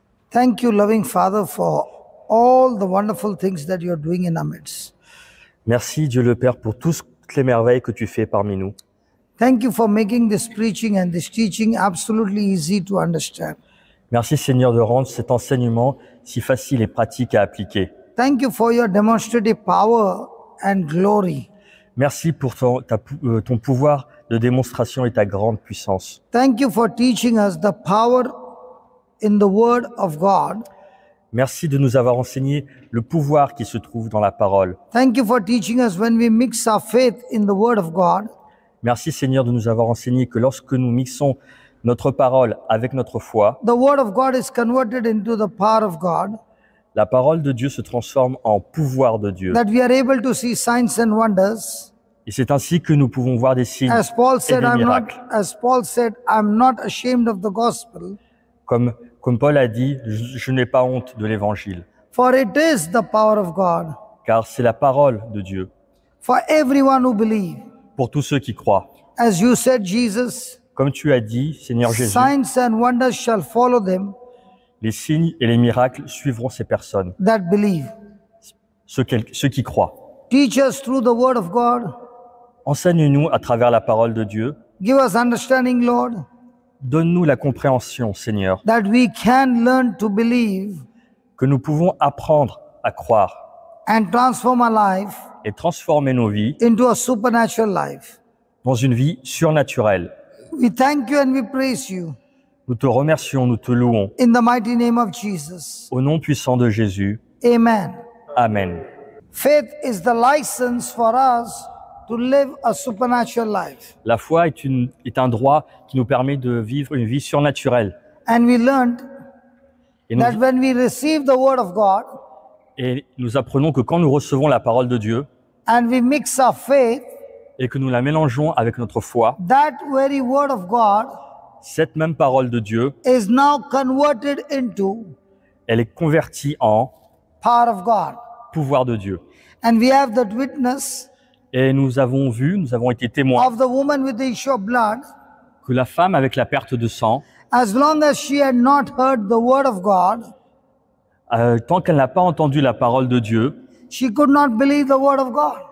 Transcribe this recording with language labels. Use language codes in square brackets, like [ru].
[en] Thank you, loving Father, for all the wonderful things that you are doing in our midst. [fr] Merci, Dieu le Père, pour toutes les merveilles que tu fais parmi nous. [en] Thank you for making this preaching and this teaching absolutely easy to understand. [fr] Merci, Seigneur, de rendre cet enseignement si facile et pratique à appliquer. [en] Thank you for your demonstrative power and glory. [fr] Merci pour ton pouvoir de démonstration et ta grande puissance. [en] Thank you for teaching us the power in the Word of God. [fr] Merci de nous avoir enseigné le pouvoir qui se trouve dans la parole. [en] Thank you for teaching us when we mix our faith in the Word of God. [fr] Merci Seigneur de nous avoir enseigné que lorsque nous mixons notre parole avec notre foi, [en] the Word of God is converted into the power of God. [fr] La parole de Dieu se transforme en pouvoir de Dieu. [en] That we are able to see signs and wonders. [fr] Et c'est ainsi que nous pouvons voir des signes [en] as Paul said, [fr] et des miracles. [en] As Paul said, I'm not ashamed of the gospel. [fr] Comme Paul a dit, je n'ai pas honte de l'évangile. [en] For it is the power of God. [fr] Car c'est la parole de Dieu. [en] For everyone who believes. [fr] Pour tous ceux qui croient. [en] As you said, Jesus. [fr] Comme tu as dit, Seigneur Jésus. [en] Signs and wonders shall follow them. [fr] Les signes et les miracles suivront ces personnes. [en] That believe. [fr] Ceux qui croient. [en] Teach us through the word of God. [fr] Enseigne-nous à travers la parole de Dieu. [en] Give us understanding, Lord. [fr] Donne-nous la compréhension, Seigneur. [en] That we can learn to believe. [fr] Que nous pouvons apprendre à croire. [en] And transform our life. [fr] Et transformer nos vies. [en] Into a supernatural life. [fr] Dans une vie surnaturelle. [en] We thank you and we praise you. [fr] Nous te remercions, nous te louons. [en] In the mighty name of Jesus. [fr] Au nom puissant de Jésus. [en] Amen. [fr] Amen. [en] Faith is the license for us to live a supernatural life. [fr] La foi est un droit qui nous permet de vivre une vie surnaturelle. [en] And we learned that when we receive the word of God. [fr] Et nous apprenons que quand nous recevons la parole de Dieu. [en] And we mix our faith. [fr] Et que nous la mélangeons avec notre foi. [en] That very word of God. [fr] Cette même parole de Dieu [en] is now converted into [fr] elle est convertie en [en] power of God. [fr] Pouvoir de Dieu. [en] And we have that witness [fr] et nous avons été témoins [en] of the woman with the issue of blood, [fr] que la femme avec la perte de sang [en] as long as she had not heard the word of God, [fr] tant qu'elle n'a pas entendu la parole de Dieu [en] she could not believe the word of God.